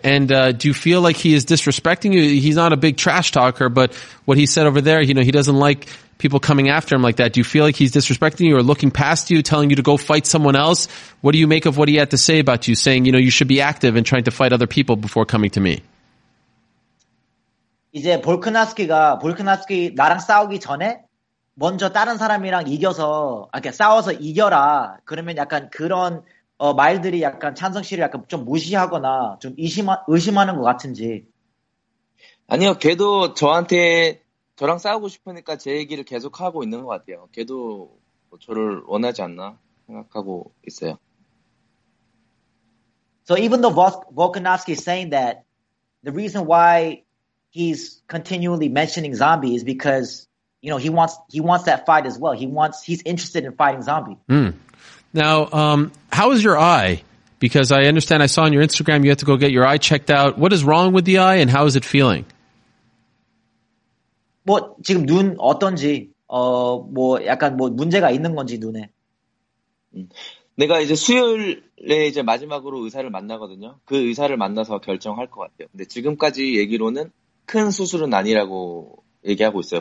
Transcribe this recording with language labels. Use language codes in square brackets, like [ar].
[en] And do you feel like he is disrespecting you? He's not a big trash talker, but what he said over there, you know, he doesn't like people coming after him like that. Do you feel like he's disrespecting you or looking past you, telling you to go fight someone else? What do you make of what he had to say about you, saying, you know, you should be active and trying to fight other people before coming to me? [ko] 이제 볼카노프스키 나랑 싸우기 전에 먼저 다른 사람이랑 이겨서 이렇게 싸워서 이겨라. 그러면 약간 그런 말들이 약간 찬성 씨를 약간 좀 무시하거나 좀 의심하는 것 같은지. 아니요, 걔도 저한테 저랑 싸우고 싶으니까 제 얘기를 계속 하고 있는 것 같아요. 걔도 뭐 저를 원하지 않나 생각하고 있어요. [en] So even though Volkanovsky is saying that, the reason why he's continually mentioning Zombie is because, you know, he wants that fight as well. He's interested in fighting Zombie. Mm. Now, how is your eye? Because I understand, I saw on your Instagram you had to go get your eye checked out. What is wrong with the eye and how is it feeling? [ko] 뭐 지금 눈 어떤지 뭐 약간 뭐 문제가 있는 건지 눈에. 내가 이제 수요일에 이제 마지막으로 의사를 만나거든요. 그 의사를 만나서 결정할 것 같아요. 근데 지금까지 얘기로는 큰 수술은 아니라고 얘기하고 있어요.